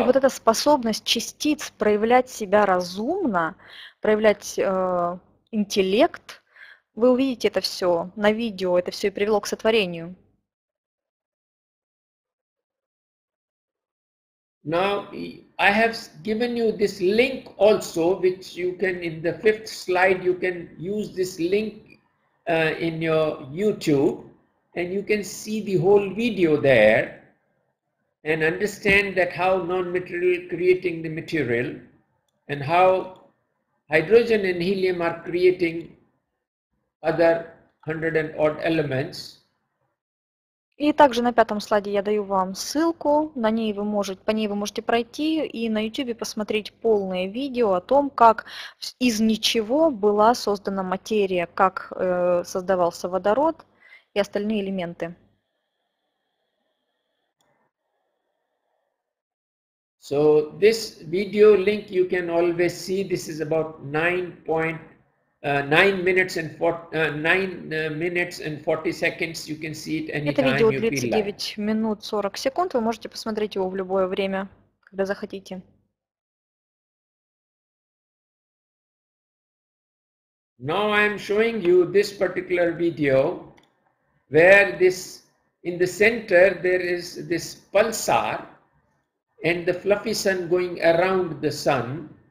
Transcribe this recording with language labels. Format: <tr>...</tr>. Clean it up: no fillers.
<ru>И вот эта способность частиц проявлять себя разумно, проявлять интеллект, вы увидите это все на видео, это все и привело к сотворению.</ru> <en>Now I have given you this link also, which you can in the fifth slide you can use this link in your YouTube, and you can see the whole video there and understand that how non-material creating the material and how hydrogen and helium are creating other 100 and odd elements.</en> <ru>И также на пятом слайде я даю вам ссылку, по ней вы можете пройти и на YouTube посмотреть полное видео о том, как из ничего была создана материя, как создавался водород и остальные элементы.</ru> <en>So this video link you can always see, this is about 9 minutes and 40 seconds. You can see it anytime.</en> <ru>Это видео 39 минут 40 секунд. Вы можете посмотреть его в любое время, когда захотите.</ru> <en>Now I am showing you this particular video, where this in the center there is this pulsar, and the fluffy sun going around the sun.</en>